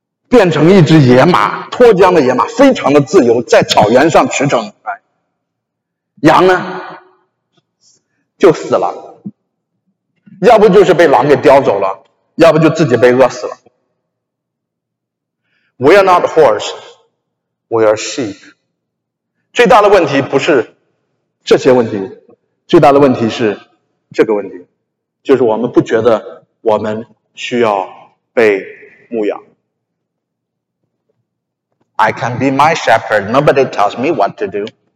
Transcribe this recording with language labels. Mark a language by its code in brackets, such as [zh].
[zh] 变成一只野马，脱缰的野马，非常的自由，在草原上驰骋。羊呢就死了，要不就是被狼给叼走了，要不就自己被饿死了。 [en] We are not horse, we are sheep。 [zh] 最大的问题不是这些问题，最大的问题是这个问题，就是我们不觉得我们需要被牧养。 [en] I can be my shepherd, nobody tells me what to do.